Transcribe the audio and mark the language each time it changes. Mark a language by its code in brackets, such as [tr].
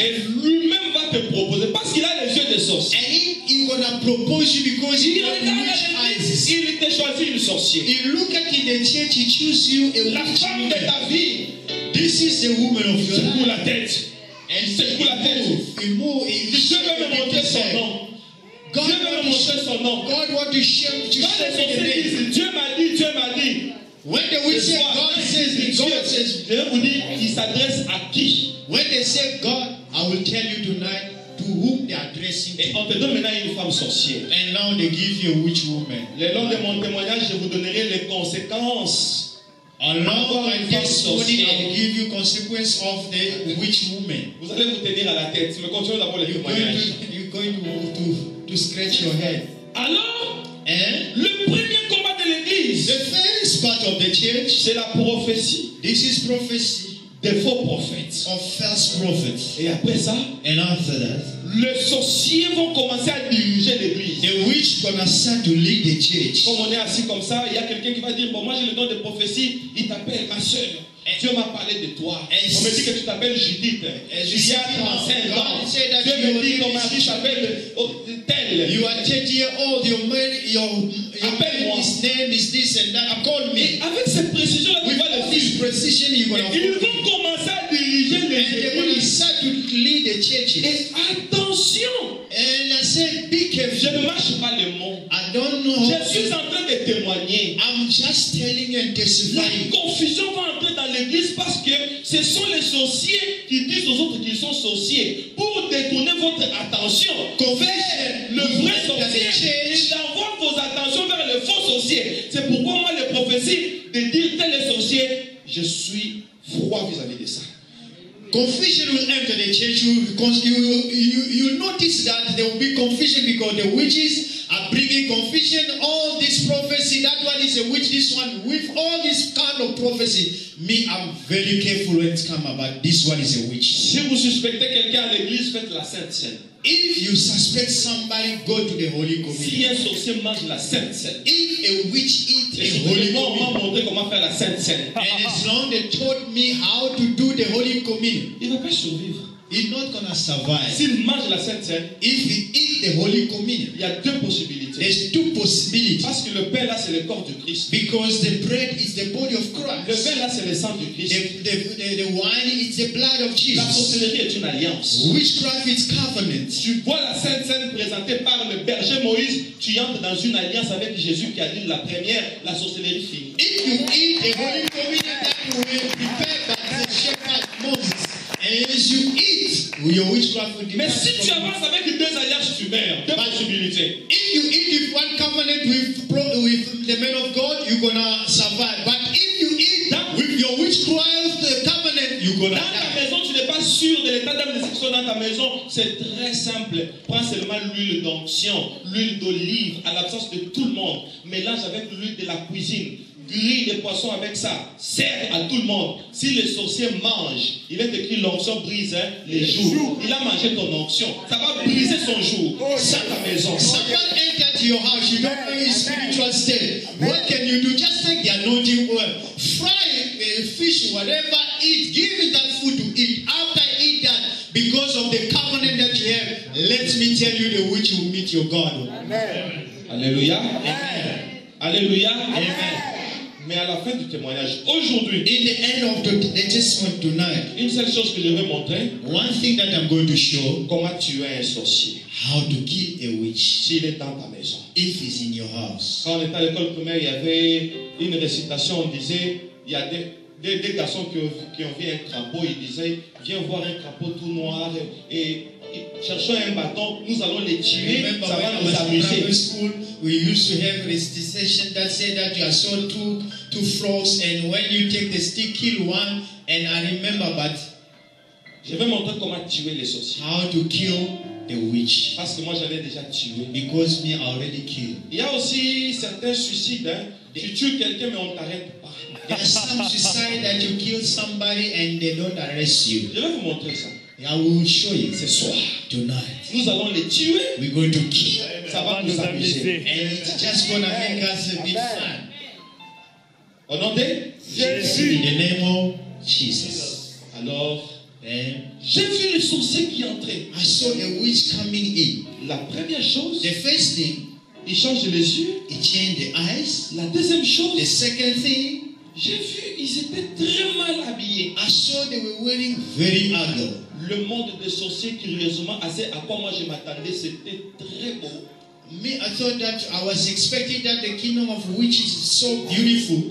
[fr] Et lui-même va te proposer parce qu'il a les yeux des sorciers. [en] And he gonna propose you because he has witch eyes. [fr] Il t'a choisi une sorcière. [en] He look at in the church, he choose you a [fr] la [en] witch. [fr] La femme de ta vie. [en] This is the woman of your life. [fr] Secoue la tête. Et secoue la tête. Je vais me montrer son nom. God, je vais me montrer son nom. [en] God, what you share to God show me the name. [fr] Dieu m'a dit. [en] When they will say God says me, God says me. [fr] Dieu vous dit, il s'adresse à qui? [en] When they say God, I will tell you tonight to whom they are addressing. [fr] Et on te donne maintenant une femme sorcière. [en] And now they give you a witch woman. [fr] Le long de mon témoignage, je vous donnerai les conséquences. [en] Along my testimony, I will give you consequence of the witch woman. [fr] Vous allez vous tenir à la tête. Mais continuez d'abord le témoignage. [en] You're going to scratch your head. [fr] Alors? Hein? Le premier combat de l'église. [en] The first part of the church. [fr] C'est la prophétie. [en] This is prophecy. [fr] Des faux prophètes. [en] Of false prophets. [fr] Et après ça? [en] And after that. [fr] Les sorciers vont commencer à diriger l'église. [en] The witch gonna start to lead the church. [fr] Comme on est assis comme ça, il y a quelqu'un qui va dire, bon, moi j'ai le don de prophétie, il t'appelle ma soeur. Dieu m'a parlé de toi. On me dit que tu t'appelles Judith. Il y a 35 ans. Dieu me dit que ton mari s'appelle tel. [en] You are 30 years old. Your man, your his name is this and that. Call me. [fr] Et avec cette précision, là, tu vas le faire. [en] Precision, you [fr] et ils vont commencer à diriger les [en] églises. And they to lead the churches. [fr] Et attention. [en] And I said, be careful. [fr] Je ne marche pas le mot. [en] I don't know. [fr] Je suis en train de témoigner. [en] I'm just telling and testifying. [fr] La confusion va entrer dans l'église parce que ce sont les sorciers qui disent aux autres qu'ils sont sorciers pour détourner votre attention. [en] Confession. [fr] Le vrai sorcier, il envoie vos attentions vers le faux sorcier. C'est pourquoi moi, les prophéties de dire tel est sorcier, je suis froid vis-à-vis de ça. [en] Confusion will enter the church. You notice that there will be confusion because the witches are bringing confusion. All this prophecy, that one is a witch, this one, with all this kind of prophecy. Me, I'm very careful when it comes about this one is a witch. [fr] Si vous suspectez quelqu'un à l'église, faites la sainte scène. [en] If you suspect somebody, go to the Holy Communion. [fr] Si un sorcier mange la sainte scène. [en] If a witch eat the Holy Communion. [fr] Moi, on m'a montré comment faire la sainte scène. [en] And as long as they taught me how to do the Holy Communion. [fr] Il ne va pas survivre. [en] He's not gonna survive. [fr] S'il mange la Sainte Cène, [en] if he eat the Holy Communion, [fr] il y a deux possibilités. [en] There's two possibilities. [fr] Parce que le pain là c'est le corps de Christ. [en] Because the bread is the body of Christ. [fr] Le vin là c'est le sang de Christ. [en] The wine is the blood of Jesus. [fr] La sorcellerie est une alliance. [en] Witchcraft is covenant. [fr] Tu vois la Sainte Cène présentée par le berger Moïse, tu entres dans une alliance avec Jésus qui a dit la première, la sorcellerie finit. [en] If you eat the Holy Communion that way, prepared by the shepherd Moses. As you eat, your witchcraft will depart. [fr] Mais si tu avances avec deux alliances, tu meurs. Deux possibilités. [en] If you eat with one covenant with the man of God, you're gonna survive. But if you eat that with your witchcraft covenant, you're gonna die. [fr] Dans ta maison, tu n'es pas sûr de l'état d'âme de ce que tu as dans ta maison. C'est très simple. Prends seulement l'huile d'onction, l'huile d'olive, à l'absence de tout le monde. Mélange avec l'huile de la cuisine. Grille les poissons avec ça. Serre à tout le monde. Si le sorcier mange, il est écrit l'onction brise hein, les jours. Il a mangé ton onction. Ça va briser son jour. Sans ta maison. [en] Someone enter to your house, you don't know his spiritual state. What can you do? Just take the anointing oil. Fry fish, whatever, eat. Give that food to eat. After eat that, because of the covenant that you have, let me tell you the way you will meet your God. Amen. Alléluia. Amen. Alléluia. Amen. Amen. [fr] Mais à la fin du témoignage, aujourd'hui, [en] in the end of the testimony tonight, [fr] une seule chose que je vais montrer, [en] one thing that I'm going to show, [fr] comment tuer un sorcier, [en] how to kill a witch, [fr] s'il est dans ta maison, [en] if he's in your house. [fr] Quand on était à l'école primaire, il y avait une récitation, on disait, il y a des garçons qui ont vu un crapaud, ils disaient, viens voir un crapaud tout noir, et cherchons un bâton, nous allons les tuer, ça va nous amuser. [en] School, we used to have this discussion that said that you are sold to frogs and when you take the stick, kill one. And I remember, but [fr] je vais montrer comment tuer les sorciers. [en] How to kill the witch? [fr] Parce que moi j'avais déjà tué. [en] Because me already killed. [fr] Il y a aussi certains suicides. Hein? Tu tues quelqu'un mais on t'arrête pas. [en] There's some suicide that you kill somebody and they don't arrest you. [fr] Je vais vous montrer ça. [en] I will show you [fr] ce soir. [en] Tonight. [fr] Nous allons les tuer. [en] We're going to kill. [fr] Ça va nous amuser. [en] And it's just going to make us a bit fun. [fr] Au nom de [en] Jésus. In the name of Jesus. [fr] Alors, [en] then, [fr] j'ai vu le sorcier qui entrait. [en] I saw a witch coming in. [fr] La première chose. [en] The first thing. [fr] Il change les yeux. [en] He changed the eyes. [fr] La deuxième chose. [en] The second thing. [fr] J'ai vu, ils étaient très mal habillés. [en] I saw they were wearing very ugly. [fr] Le monde des sorciers, curieusement, assez à quoi moi je m'attendais, c'était très beau. [en] Me, I thought that I was expecting that the kingdom of witches is so beautiful.